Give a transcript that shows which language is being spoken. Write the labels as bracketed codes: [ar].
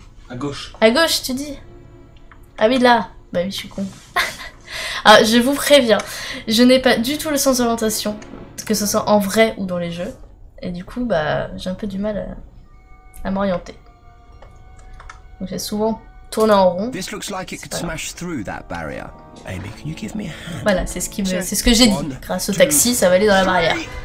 [fr] À gauche. À gauche, tu dis? Ah oui, là. Bah oui, je suis con. Ah, je vous préviens. Je n'ai pas du tout le sens d'orientation. Que ce soit en vrai ou dans les jeux. Et du coup, bah, j'ai un peu du mal à m'orienter. Donc j'ai souvent tourné en rond. [en] This looks like it could smash through that barrier. Amy, can you give me a hand? [fr] Voilà, c'est ce qui me, c'est ce que j'ai dit. Grâce au taxi, ça va aller dans la barrière.